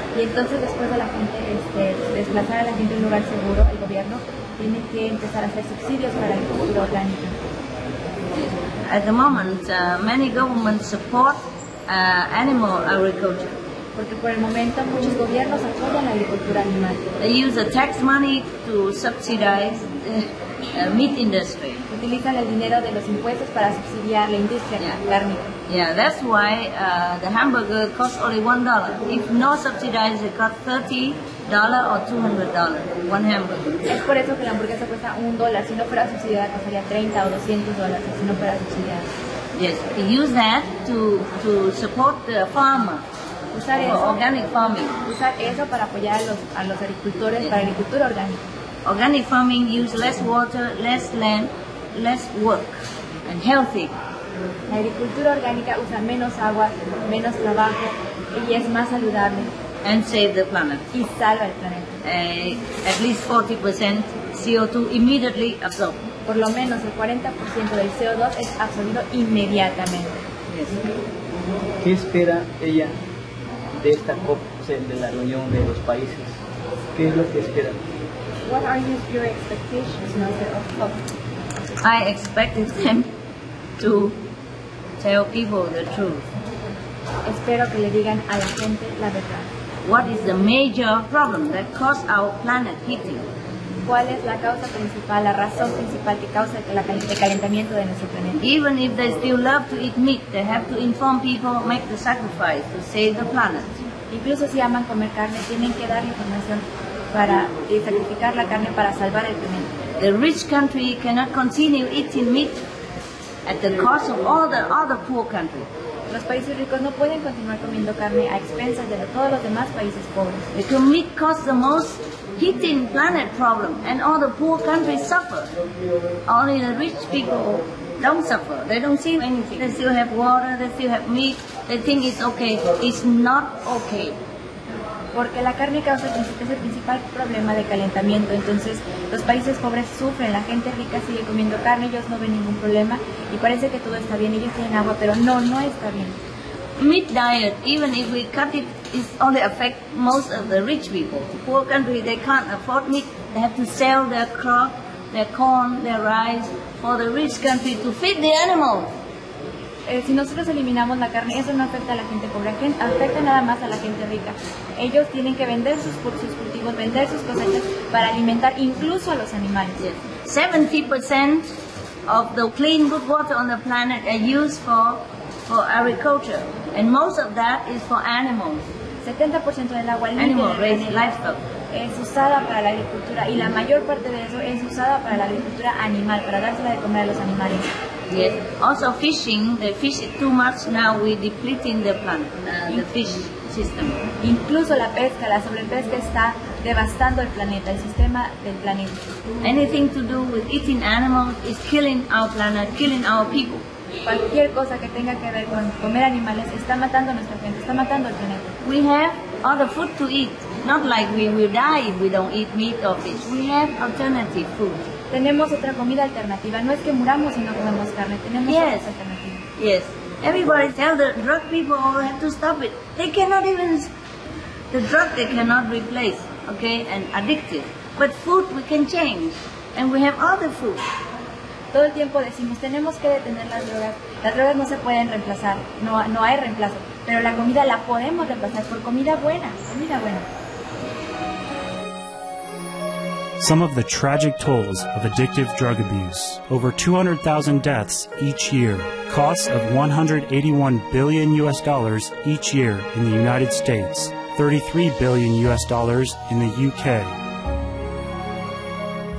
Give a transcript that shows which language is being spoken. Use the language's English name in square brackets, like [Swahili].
[Spanish] Y entonces después de la gente desplazar a la gente a un lugar seguro, el gobierno tiene que empezar a hacer subsidios para la agricultura orgánica. [English] At the moment, many governments support animal agriculture. [Spanish] Porque por el momento muchos gobiernos apoyan la agricultura animal. [English] They use the tax money to subsidize meat industry. [Spanish] Utilizan el dinero de los impuestos para subsidiar la industria cárnica. [English] Yeah, that's why the hamburger costs only $1. If no subsidized, it costs $30 or $200. One hamburger. [Spanish] Es por eso que la hamburguesa cuesta $1. Si no fuera subsidiada, costaría $30 [English] or [Spanish] $200. Si no fuera subsidiada. [English] Yes, they use that to support the farmer. [Spanish] Usar eso. [English] Organic farming. [Spanish] Usar eso para apoyar a los agricultores, [English] yeah. [Spanish] Para agricultura orgánica. [English] Organic farming uses less water, less land, less work, and healthy. [Spanish] La agricultura orgánica usa menos agua, menos trabajo, y es más saludable. [English] And save the planet. [Spanish] Y salva el planeta. [English] At least 40% CO2 immediately absorbed. [Spanish] Por lo menos el 40% del CO2 es absorbido inmediatamente. [English] Yes. [Spanish] ¿Qué espera ella de esta COP, de la reunión de los países? ¿Qué es lo que espera? [English] What are your expectations, Master, of COP? I expected them to tell people the truth. [Spanish] Espero que le digan a la gente la verdad. [English] What is the major problem that caused our planet heating? [Spanish] ¿Cuál es la causa principal, la razón principal que causa el calentamiento de nuestro planeta? [English] Even if they still love to eat meat, they have to inform people, make the sacrifice to save the planet. [Spanish] Incluso si aman comer carne, tienen que dar información para sacrificar la carne para salvar el planeta. [English] The rich country cannot continue eating meat at the cost of all the other poor countries. [Spanish] Los países ricos no pueden continuar comiendo carne a expensas de todos los demás países pobres. [English] Because meat causes the most heating planet problem, and all the poor countries suffer. Only the rich people don't suffer. They don't see anything. They still have water. They still have meat. They think it's okay. It's not okay. [Spanish] Porque la carne causa el principal problema de calentamiento. Entonces, los países pobres sufren. La gente rica sigue comiendo carne. Ellos no ven ningún problema. Y parece que todo está bien. Ellos tienen agua, pero no está bien. [English] Meat diet, even if we cut it, it only affects most of the rich people. Poor countries, they can't afford meat. They have to sell their crop, their corn, their rice for the rich country to feed the animals. [Spanish] Si nosotros eliminamos la carne, eso no afecta a la gente pobre, afecta nada más a la gente rica. Ellos tienen que vender sus cultivos, vender sus cosechas para alimentar incluso a los animales. [English] Yes. 70% of the clean, good water on the planet are used for agriculture, and most of that is for animals. [Spanish] 70% del agua limpia [English] animal raising, livestock. [Spanish] Es usada para la agricultura, y la mayor parte de eso es usada para la agricultura animal, para dársela de comer a los animales. [English] Yes. Also fishing, they fish it too much, now we're depleting the planet, the fish system. [Spanish] Incluso la pesca, la sobrepesca está devastando el planeta, el sistema del planeta. [English] Anything to do with eating animals is killing our planet, killing our people. [Spanish] Cualquier cosa que tenga que ver con comer animales está matando a nuestra gente, está matando el planeta. [English] We have other food to eat, not like we will die if we don't eat meat or fish. We have alternative food. [Spanish] Tenemos otra comida alternativa. No es que muramos si no comemos carne. Tenemos [English] yes. [Spanish] Otra alternativa. [English] Yes. Everybody tell the drug people have to stop it. They cannot even the drug they cannot replace, okay, and addictive. But food we can change, and we have other food. [Spanish] Todo el tiempo decimos tenemos que detener las drogas. Las drogas no se pueden reemplazar. No hay reemplazo. Pero la comida la podemos reemplazar por comida buena. Comida buena. [English] Some of the tragic tolls of addictive drug abuse. Over 200,000 deaths each year. Costs of $181 billion US dollars each year in the United States. $33 billion U.S. in the U.K.